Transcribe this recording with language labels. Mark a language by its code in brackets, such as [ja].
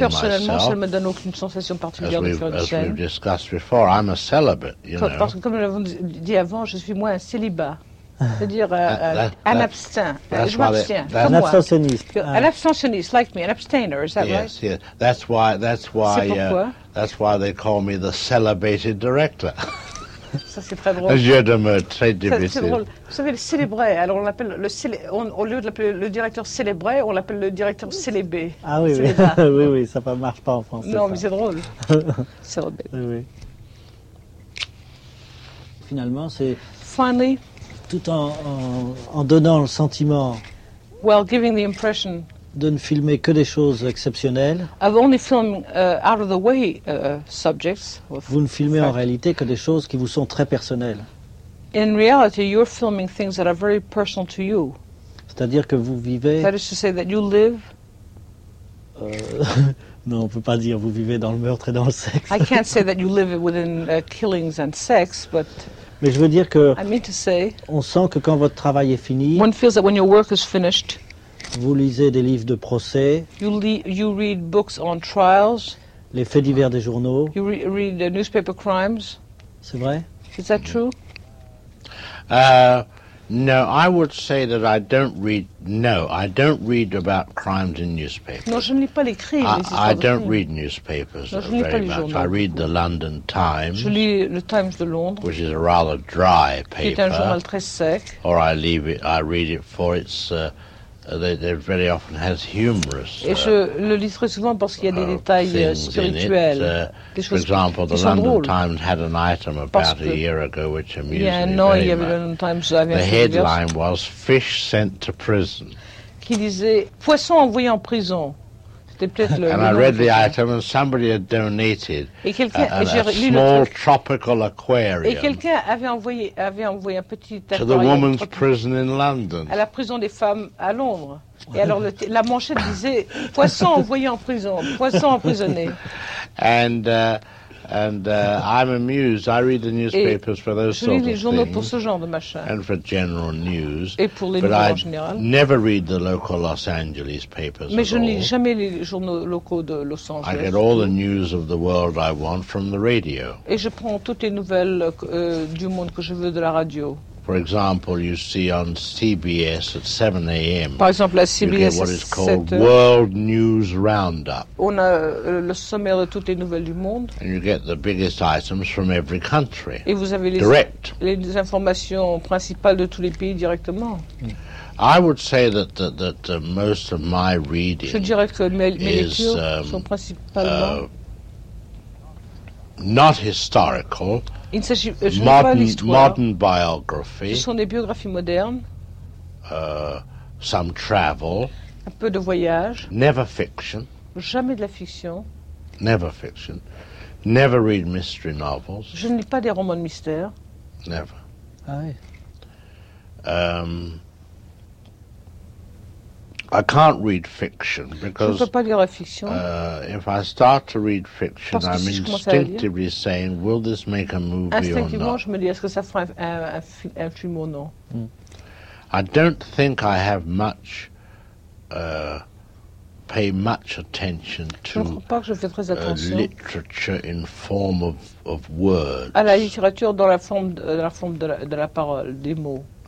[fr] personnellement, [en] myself. [fr] Ça me donne aucune sensation particulière de faire une scène. [en] As we've discussed before, I'm a celibate, you know. [fr] Parce que comme nous l'avons dit avant, je suis moi un célibat. C'est-à-dire un [en] abstain. [fr] Un abstentionniste. [en] An abstentionniste, like me, an abstainer, is that yes, right? Yes, that's why they call me the celibated director. [fr] Ça, c'est très drôle. Un jeu de mots très difficile. C'est drôle. Vous savez, le célébré, alors on l'appelle, au lieu de l'appeler le directeur célébré, on l'appelle le directeur célébé. Ah oui, oui. Oui, oui, ça ne marche pas en français. Non, ça. Mais c'est drôle. C'est drôle. Oui, oui. Finalement, c'est... [en] Finally. [fr] Tout en donnant le sentiment... [en] Well, giving the impression... [fr] De ne filmer que des choses exceptionnelles. [en] I've only filmed out of the way subjects. [fr] Vous ne filmez en réalité que des choses qui vous sont très personnelles. [en] In reality, you're filming things that are very personal to you. [fr] C'est-à-dire que vous vivez. [en] That is to say that you live. [fr] Non, on ne peut pas dire vous vivez dans le meurtre et dans le sexe. [en] I can't say that you live within killings and sex, but. [fr] Mais je veux dire que. [en] I mean to say. [fr] On sent que quand votre travail est fini. [en] One feels that when your work is finished. [fr] Vous lisez des livres de procès. [en] You read books on trials. [fr] Les faits divers des journaux. [en] You read the newspaper crimes. [fr] C'est vrai? [en] Is that true? No, I would say that I don't read. No, I don't read about crimes in newspapers. [fr] Non, je ne lis pas les crimes. [en] I don't read newspapers very much. I read the London Times. [fr] Je lis le Times de Londres. [en] Which is a rather dry paper. [fr] C'est un journal très sec. [en] Or I leave it. I read it for its. They very often has humorous. [fr] Et je le lis très souvent parce qu'il y a des détails spirituels. [en] For example, the London Times had an item about a year ago which amused me. [fr] Il y avait le London Times. [en] The headline was "Fish sent to prison." [fr] Qui disait poisson envoyé en prison. [en] And I read the item, and somebody had donated a small tropical aquarium. [fr] Et quelqu'un avait envoyé un petit aquarium. [en] To the woman's prison in London. [fr] À la prison des femmes à Londres. Et alors la manchette disait poisson envoyé en prison, poisson emprisonné. [en] And I'm amused. I read the newspapers for those sort of things. [fr] Je lis les journaux pour ce genre de machin. [en] And for general news. [fr] Et pour les nouvelles en général. [en] But I never read the local Los Angeles papers. [fr] Mais je ne lis jamais les journaux locaux de Los Angeles. [en] I get all the news of the world I want from the radio. [fr] Et je prends toutes les nouvelles du monde que je veux de la radio. [en] For example, you see on CBS at 7 a.m. [fr] Par exemple, à CBS, [en] you get what is called World News Roundup. [fr] On a le sommaire de toutes les nouvelles du monde. [en] And you get the biggest items from every country. [fr] Et vous avez direct. Les informations principales de tous les pays directement. [en] I would say that most of my reading [fr] je dirais que mes lectures [en] is, [fr] sont principalement [en] not historical. [fr] Il s'agit [en] modern biography. [fr] Ce sont des biographies modernes. [en] Some travel. [fr] Un peu de voyage. [en] Never fiction. [fr] Jamais de la fiction. [en] Never fiction. Never read mystery novels. [fr] Je ne lis pas des romans de mystère. [en] Never. [fr] Ah oui. [en] I can't read fiction because [fr] je peux pas lire la fiction. [en] If I start to read fiction, [fr] si [en] I'm instinctively saying, will this make a movie or not? [fr] Instinctivement, je me dis, est-ce que ça fera un film ou non? [en] I don't think I have much, pay much attention to literature in form of words. [fr] À la littérature dans la forme de la parole, des mots.